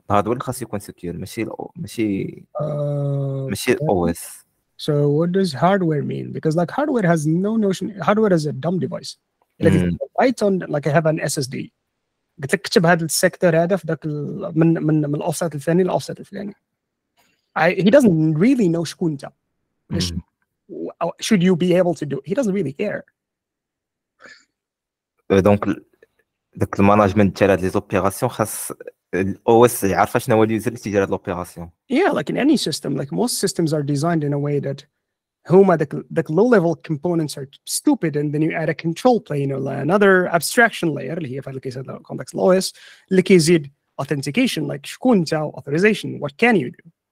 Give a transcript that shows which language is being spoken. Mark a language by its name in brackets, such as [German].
[Arabic] الهاردوير خاص يكون سيكيور, ماشي الاو اس. [English] So what does hardware mean? Because like hardware has no notion. Hardware is a dumb device. Like write on, like I have an SSD. [Arabic] قلت لك كتب هذا السيكتور هذا في ذاك من من من الأوفسيت الفلاني الأوفسيت الفلاني. [English] He doesn't really know [Arabic] شكون أنت. [English] Should you be able to do it? He doesn't really care. [Arabic] دونك ذاك المانجمنت ديال هاد لي زوبيراسيون خاص OS يعرف شنو هو اليوزر اللي تيدير هاد لوبيراسيون. [English] Yeah, like in any system, like most systems are designed in a way that the low-level components are stupid, and then you add a control plane or another abstraction layer, if I look at the context OS, like is it authentication, like [Arabic] شكون تاع [English] authorization, what can you do?